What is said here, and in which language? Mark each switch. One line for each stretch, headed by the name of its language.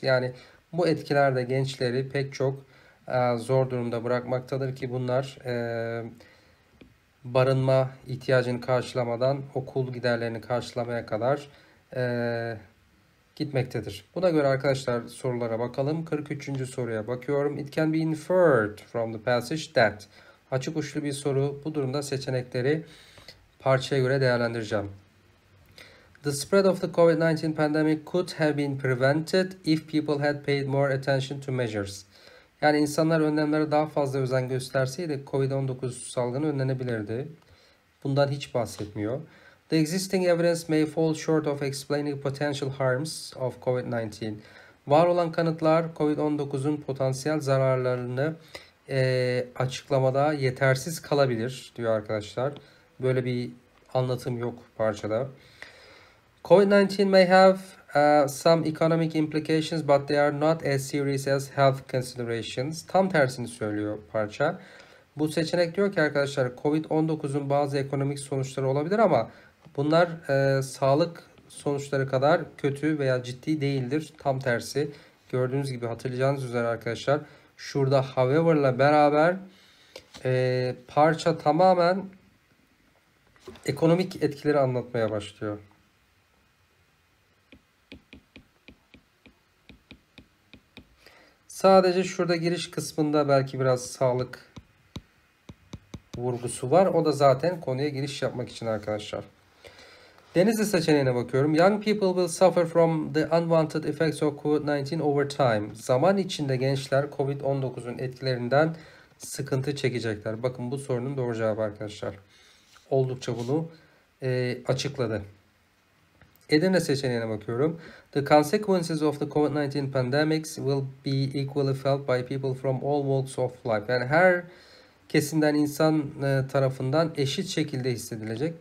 Turkish: Yani bu etkiler de gençleri pek çok zor durumda bırakmaktadır ki bunlar barınma ihtiyacını karşılamadan okul giderlerini karşılamaya kadar gitmektedir. Buna göre arkadaşlar sorulara bakalım. 43. soruya bakıyorum.
English: It can be inferred from the passage that.
Turkish: Açık uçlu bir soru. Bu durumda seçenekleri parçaya göre değerlendireceğim.
English: The spread of the COVID-19 pandemic could have been prevented if people had paid more attention to measures.
Turkish: Yani insanlar önlemlere daha fazla özen gösterseydi COVID-19 salgını önlenebilirdi. Bundan hiç bahsetmiyor.
English: The existing evidence may fall short of explaining potential harms of COVID-19.
Turkish: Var olan kanıtlar COVID-19'un potansiyel zararlarını açıklamada yetersiz kalabilir diyor arkadaşlar. Böyle bir anlatım yok parçada.
English: COVID-19 may have some economic implications but they are not as serious as health considerations.
Turkish: Tam tersini söylüyor parça. Bu seçenek diyor ki arkadaşlar COVID-19'un bazı ekonomik sonuçları olabilir ama bunlar sağlık sonuçları kadar kötü veya ciddi değildir. Tam tersi. Gördüğünüz gibi hatırlayacağınız üzere arkadaşlar. Şurada however'la beraber parça tamamen ekonomik etkileri anlatmaya başlıyor. Sadece şurada giriş kısmında belki biraz sağlık vurgusu var. O da zaten konuya giriş yapmak için arkadaşlar. Denizli seçeneğine bakıyorum.
English: Young people will suffer from the unwanted effects of COVID-19 over time.
Turkish: Zaman içinde gençler COVID-19'un etkilerinden sıkıntı çekecekler. Bakın bu sorunun doğru cevabı arkadaşlar. Oldukça bunu açıkladı. Edirne seçeneğine bakıyorum.
English: The consequences of the COVID-19 pandemics will be equally felt by people from all walks of life.
Turkish: Yani her kesinden insan tarafından eşit şekilde hissedilecek.